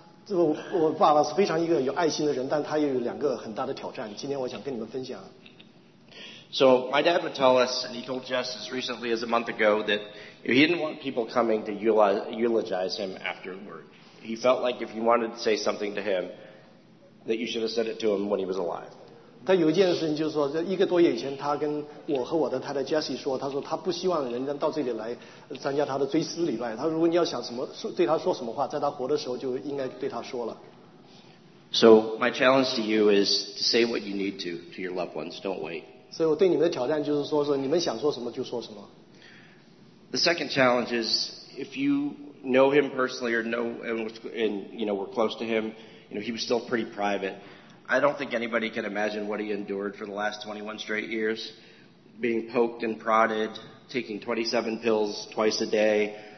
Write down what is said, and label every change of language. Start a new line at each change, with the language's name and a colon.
Chinese: 我爸爸是非常一个有爱心的人，但他也有两个很大的挑战，今天我想跟你们分享。
English: So my dad would tell us, and he told Jess as recently as a month ago, that he didn't want people coming to eulogize him afterward. He felt like if you wanted to say something to him, that you should have said it to him when he was alive.
Chinese: 他有一件事情就是说，一个多月以前，他跟我和我的太太 Jessie 说，他说他不希望人家到这里来参加他的追思礼拜。他说，如果你要想什么对他说什么话，在他活的时候就应该对他说了。
English: So my challenge to you is to say what you need to your loved ones. Don't wait.
Chinese: 所以我对你们的挑战就是说，说你们想说什么就说什么。
English: The second challenge is if you know him personally or know and you know were close to him, you know he was still pretty private. I don't think anybody can imagine what he endured for the last 21 straight years, being poked and prodded, taking 27 pills twice a day.